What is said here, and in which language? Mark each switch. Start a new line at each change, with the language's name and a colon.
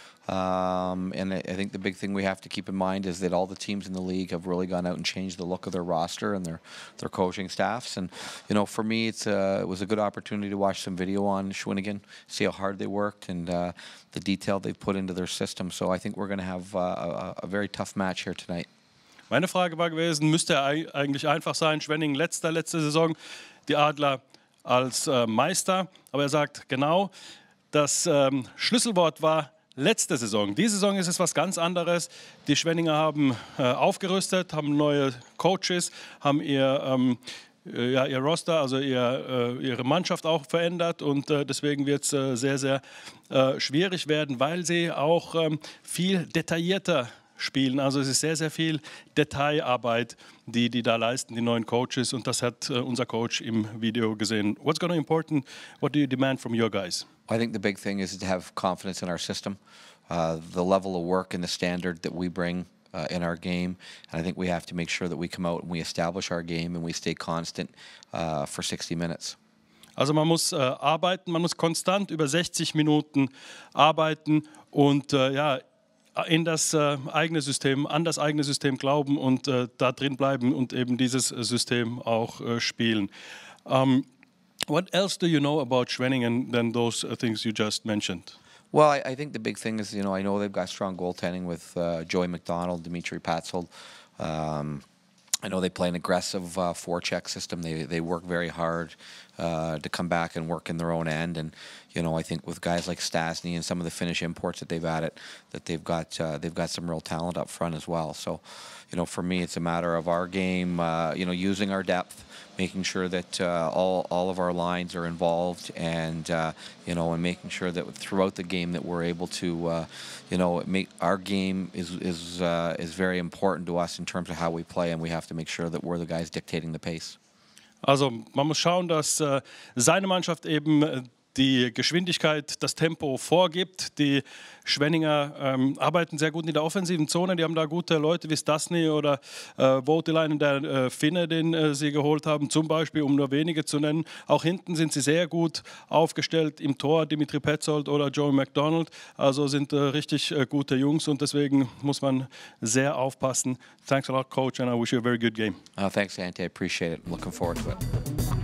English: And I think the big thing we have to keep in mind is that all the teams in the league have really gone out and changed the look of their roster and their coaching staffs. And, you know, for me, it was a good opportunity to watch some video on Schwenninger, see how hard they worked and the detail they've put into their system. So I think we're going to have a very tough match here tonight.
German: Meine Frage war gewesen, müsste eigentlich einfach sein, Schwenninger letzte Saison, die Adler als Meister. Aber sagt genau, das Schlüsselwort war, letzte Saison. Diese Saison ist es was ganz anderes. Die Schwenninger haben aufgerüstet, haben neue Coaches, haben ihr Roster, also ihre Mannschaft auch verändert. Und deswegen wird es sehr, sehr schwierig werden, weil sie auch viel detaillierter spielen. Also es ist sehr, sehr viel Detailarbeit, die da leisten, die neuen Coaches. Und das hat unser Coach im Video gesehen.
English: What's going to be important? What do you demand from your guys? I think the big thing is to have confidence in our system, the level of work and the standard that we bring in our game. And I think we have to make sure that we come out and we establish our game and we stay constant for 60 minutes.
German: Also man muss arbeiten, man muss konstant über 60 Minuten arbeiten und in das eigene System, an das eigene System glauben und da drin bleiben und eben dieses System auch spielen.
English: What else do you know about Schwenningen than those things you just mentioned? Well, I think the big thing is, you know, I know they've got strong goaltending with Joey McDonald, Dimitri Patzold. I know they play an aggressive forecheck system. They work very hard to come back and work in their own end. And, you know, I think with guys like Stastny and some of the Finnish imports that they've added, that they've got some real talent up front as well. So, you know, for me, it's a matter of our game, you know, using our depth, making sure that all of our lines are involved and, you know, and making sure that throughout the game that we're able to, you know, make our game is very important to us in terms of how we play, and we have to make sure that we're the guys dictating the pace.
German: Also man muss schauen, dass seine Mannschaft eben die Geschwindigkeit, das Tempo vorgibt. Die Schwenninger arbeiten sehr gut in der offensiven Zone. Die haben da gute Leute wie Stastny oder Voutilainen, der Finne, den sie geholt haben, zum Beispiel, um nur wenige zu nennen. Auch hinten sind sie sehr gut aufgestellt im Tor, Dimitri Petzold oder Joey McDonald. Also sind richtig gute Jungs und deswegen muss man sehr aufpassen.
English: Thanks a lot, Coach, and I wish you a very good game. Thanks, Ante. I appreciate it. Looking forward to it.